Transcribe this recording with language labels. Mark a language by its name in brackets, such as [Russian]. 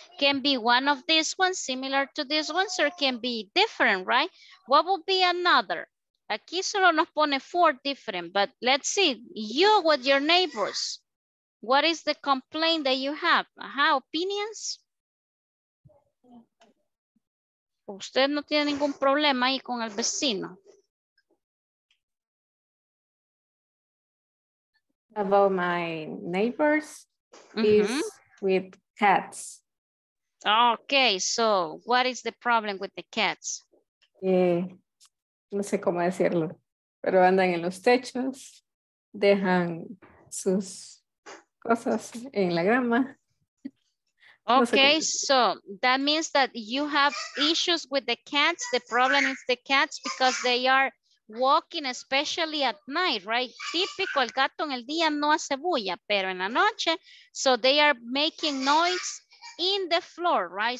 [English] Can be one of these ones, similar to these ones, or can be different, right? What would be another? Aquí solo nos pone four different, but let's see. You with your neighbors, what is the complaint that you have? Uh-huh, opinions? [Spanish] Usted no tiene ningún problema ahí con el vecino. [English] About my neighbors is with cats. Okay, so what is the problem with the cats? [Spanish] No sé cómo decirlo, pero andan en los techos, dejan sus cosas en la grama. [English] Okay, so that means that you have issues with the cats. The problem is the cats because they are walking, especially at night, right? [Spanish] Típico, el gato en el día no hace bulla, pero en la noche, so they are making noise in the floor, right?